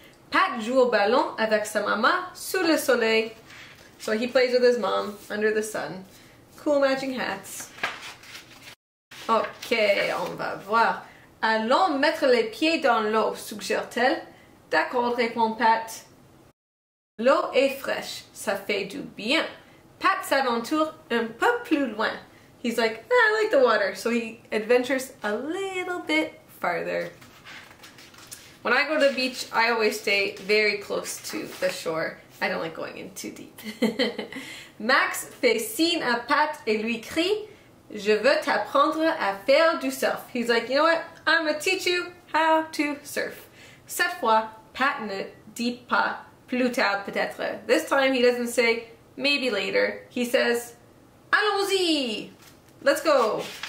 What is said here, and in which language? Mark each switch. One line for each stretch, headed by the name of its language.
French: Pat joue au ballon avec sa maman sous le soleil.
English: So he plays with his mom under the sun. Cool matching hats. Ok,
French: on va voir. Allons mettre les pieds dans l'eau, suggère-t-elle. D'accord, répond Pat. L'eau est fraîche, ça fait du bien. Pat s'aventure un peu plus loin.
English: He's like, ah, I like the water. So he adventures a little bit farther. When I go to the beach, I always stay very close to the shore. I don't like going in too deep.
French: Max fait signe à Pat et lui crie, je veux t'apprendre à faire du surf.
English: He's like, you know what? I'm gonna teach you how to surf.
French: Cette fois, Pat ne dit pas plus tard peut-être.
English: This time, he doesn't say maybe later. He says,
French: allons-y!
English: Let's go!